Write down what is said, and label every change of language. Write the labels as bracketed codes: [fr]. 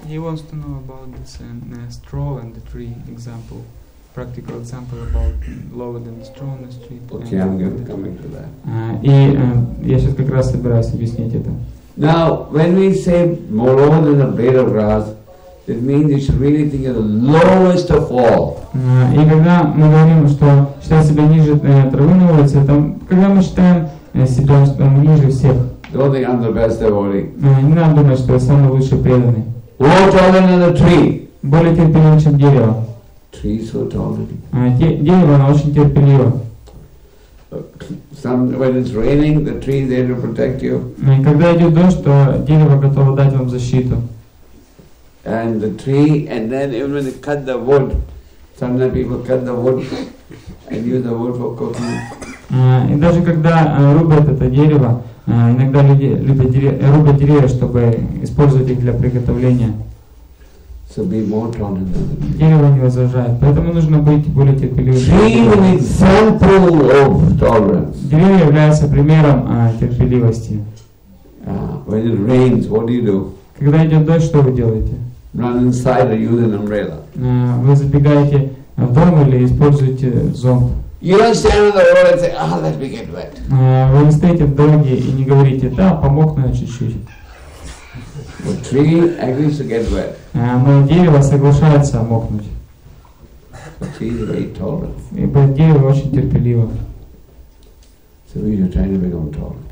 [en] He wants to know about this straw and the tree example, practical example about lower than the straw and the tree. Okay, I'm going to come into that. [ru] И я сейчас как раз собираюсь объяснить это. [en] Now, when we say more than a blade of grass, it means it's really thinking of the lowest of all. [ru] И когда мы говорим, что считать себя ниже травы на улице, там, когда мы считаем себя, что мы ниже всех. [en] Don't think I'm the best devotee. [ru] Не надо думать, что я самый лучший преданный. [en] More taller than a tree. [ru] Более терпеливо, чем дерево. [en] Tree so tall. [ru] Дерево, оно очень терпеливо. [en] When it's raining, the tree is there to protect you. [ru] Когда идет дождь, то дерево готово дать вам защиту. [en] And the tree, and then even when they cut the wood, sometimes people cut the wood and use the wood for cooking. [ru] И даже когда рубят это дерево, иногда люди рубят деревья, чтобы использовать их для приготовления. [en] So be more tolerant. [ru] Дерево не возражает, поэтому нужно быть более терпеливым. [en] Tree is an example of tolerance. [ru] Дерево является примером терпеливости. [en] When it rains, what do you do? [ru] Когда идет дождь, что вы делаете? [en] Run inside or use an umbrella. [ru] Вы забегаете в дом или используете зонт. [en] You don't stand on the road and say, "Ah, let me get wet." [ru] Вы не стоите в дороге и не говорите, "Да, помокну я чуть-чуть." [en] The tree agrees to get wet. [ru] Но дерево соглашается мокнуть. [en] The tree is very tolerant. [ru] Ибо дерево очень терпеливо. [en] So we are trying to become tolerant.